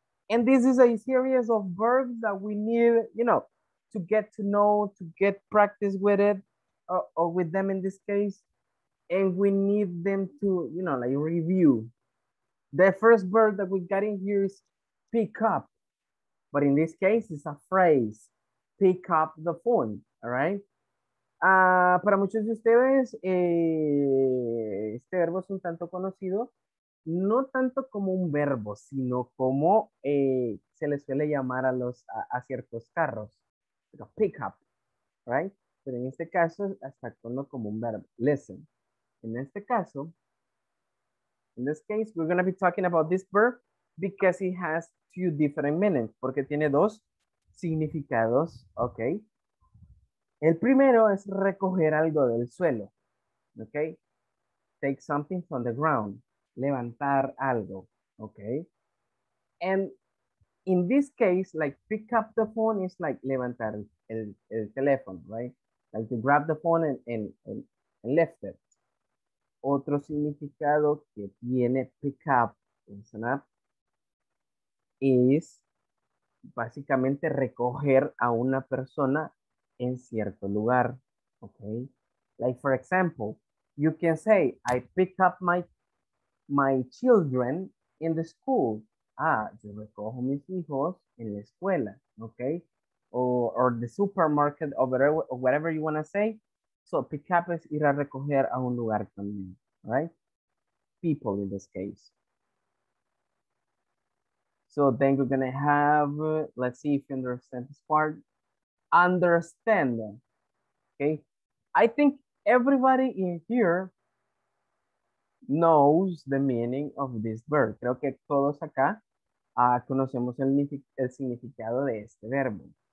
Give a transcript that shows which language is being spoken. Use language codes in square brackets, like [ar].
[en] And this is a series of verbs that we need, you know, to get to know, to get practice with it, or with them in this case. And we need them to, you know, like review. The first verb that we got in here is pick up. But in this case, it's a phrase, pick up the phone, all right? [es] Para muchos de ustedes, este verbo es un tanto conocido, no tanto como un verbo, sino como se le suele llamar a ciertos carros, [en] like a pickup, right? [es] Pero en este caso, está actuando como un verbo. [en] Listen, in this case, we're going to be talking about this verb because it has two different meanings, [es] porque tiene dos significados, [en] okay? [es] El primero es recoger algo del suelo. ¿Ok? [en] Take something from the ground. [es] Levantar algo. [en] ¿Ok? And in this case, like pick up the phone is like [es] levantar el teléfono, [en] right? Like to grab the phone and lift it. [es] Otro significado que tiene pick up, [en] listen up, is [es] básicamente recoger a una persona en cierto lugar, okay? [en] Like for example, you can say, I pick up my children in the school. [es] Ah, yo recojo mis hijos en la escuela, okay? [en] Or the supermarket, or whatever you want to say. [es] So pick up es ir a recoger a un lugar también, right? [en] People in this case. So then we're going to have, let's see if you understand this part. Understand, okay? I think everybody in here knows the meaning of this verb. [es] Creo que todos acá conocemos el significado de este verbo.